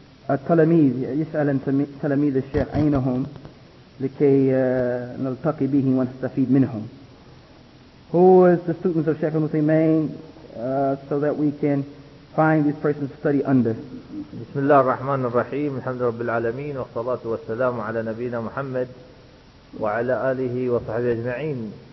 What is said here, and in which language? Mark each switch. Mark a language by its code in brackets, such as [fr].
[ar] التلاميذ يسأل تلاميذ الشيخ أينهم لكي نلتقي به ونستفيد منهم. [en] Who is the students of Sheikh Al-Muthaymeen so that we can find this person to study under. [ar] بسم الله الرحمن الرحيم الحمد رب العالمين والصلاة والسلام على نبينا محمد وعلى آله وصحبه أجمعين.